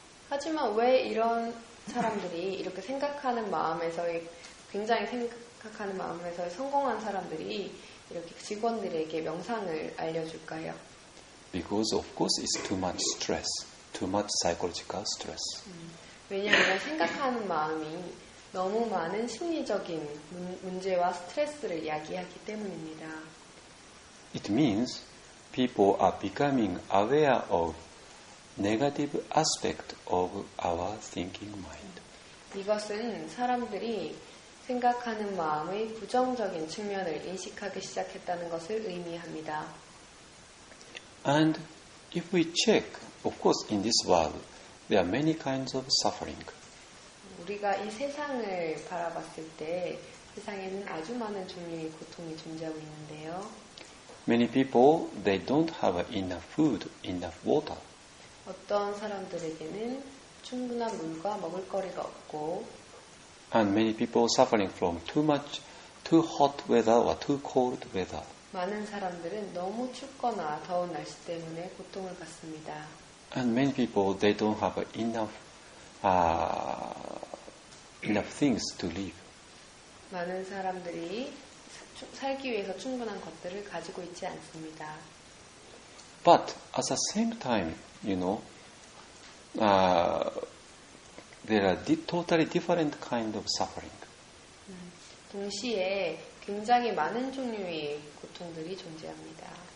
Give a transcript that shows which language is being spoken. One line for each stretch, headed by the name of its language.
Korean: 하지만 왜 이런 사람들이 이렇게 생각하는 마음에서의 굉장히 생각하는 마음에서의 성공한 사람들이 이렇게 직원들에게 명상을 알려줄까요?
English: Because of course it's too much stress. Too much psychological stress.
Korean: 왜냐하면 생각하는 마음이 너무 많은 심리적인 문제와 스트레스를 야기하기 때문입니다.
English: It means people are becoming aware of negative aspect of our thinking mind.
Korean: 이것은 사람들이 생각하는 마음의 부정적인 측면을 인식하기 시작했다는 것을 의미합니다.
English: And if we check Of course, in this world, there are many kinds of suffering.
Korean: 우리가 이 세상을 바라봤을 때, 세상에는 아주 많은 종류의 고통이 존재하고 있는데요.
English: Many people, they don't have enough food, enough water.
Korean: 어떤 사람들에게는 충분한 물과 먹을거리가 없고,
English: and many people suffering from too hot weather or too cold weather.
Korean: 많은 사람들은 너무 춥거나 더운 날씨 때문에 고통을 받습니다.
English: And many people, they don't have enough things to live.
Korean: 많은 사람들이 살기 위해서 충분한 것들을 가지고 있지 않습니다.
English: But at the same time, you know, there are totally different kind of suffering.
Korean: 동시에 굉장히 많은 종류의 고통들이 존재합니다.